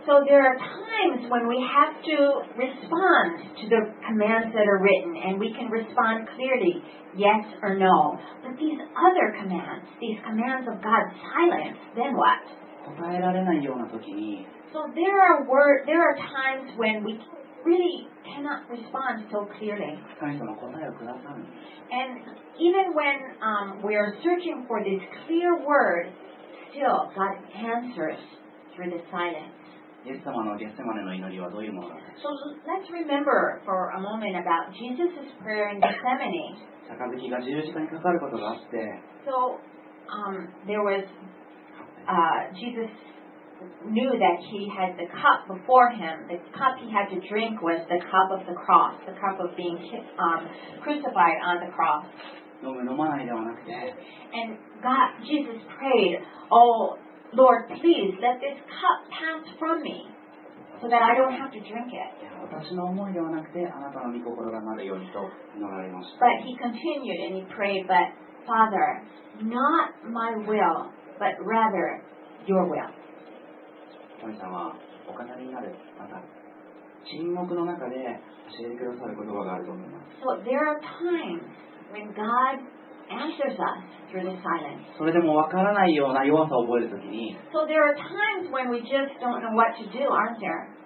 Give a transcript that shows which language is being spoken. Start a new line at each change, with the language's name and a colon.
English: So there are times when we have to respond to the commands that are written and we can respond clearly, yes or no. But these other commands, these commands of God's silence, then what?
Japanese: 答えられないような時に
English: So there are times when we really cannot respond so clearly.
Japanese: 神様答えをくださる。
English: And even when we are searching for this clear word, still God answers through the silence.
Japanese: イエス様のゲッセマネの祈りはどういうものか。
English: So let's remember for a moment about Jesus' prayer in Gethsemane.
Japanese: 杯が十字架にかかることがあって
English: So there wasJesus knew that he had the cup before him. The cup he had to drink was the cup of the cross, the cup of being crucified on the cross.
Japanese: 飲まないではなくて
English: And God, Jesus prayed, Oh, Lord, please let this cup pass from me so that I don't have to drink it.
Japanese: 私の思いではなくてあなたの御心がなるようにと祈られました
English: But he continued and he prayed, But Father, not my willBut rather, your will.
Japanese: 神様、お語りになる、また、沈黙の中で教えてくださる言葉があると思います。
English: So there are times when God answers us through the silence.
Japanese: それでもわからないような弱さを覚えるときに。
English: So there are times when we just don't know what to do, aren't there?